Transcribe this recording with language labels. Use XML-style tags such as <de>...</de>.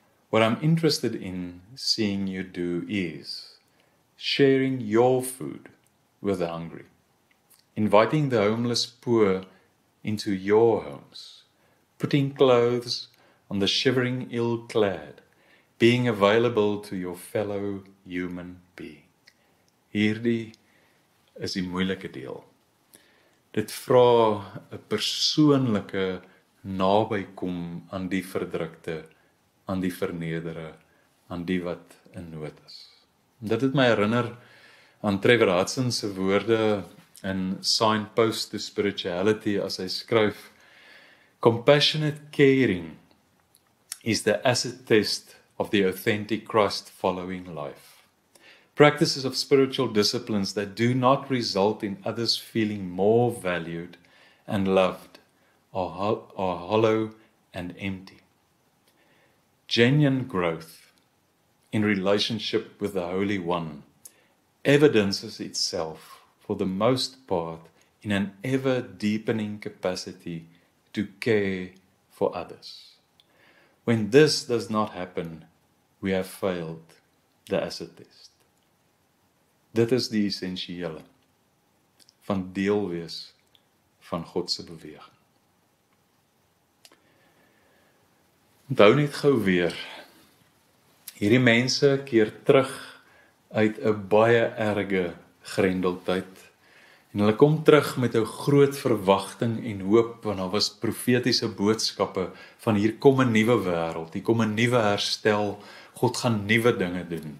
<en>What I'm interested in seeing you do is sharing your food with the hungry, inviting the homeless poor into your homes, putting clothes on the shivering ill-clad, being available to your fellow human being.</en> <af>Hierdie is die moeilike deel. Dit vra 'n persoonlike nabykom aan die verdrukte, aan die vernedere, aan die wat in nood is. Dit het my herinner aan Trevor Hudson se woorde in Signpost to Spirituality as hy skryf,</af> <en>Compassionate caring is the acid test of the authentic Christ following life. Practices of spiritual disciplines that do not result in others feeling more valued and loved are hollow and empty. Genuine growth in relationship with the Holy One evidences itself for the most part in an ever deepening capacity to care for others. When this does not happen, we have failed the acid test.</en> <af>Dit is die essentiële van deelwees van Godse beweging. Onthou net gauw weer, hierdie mense keer terug uit 'n baie erge grendeltyd en hulle kom terug met 'n groot verwagting en hoop, want daar was profetiese boodskappe van hier kom 'n nuwe wêreld, hier kom 'n nuwe herstel, God gaan nuwe dinge doen.</af>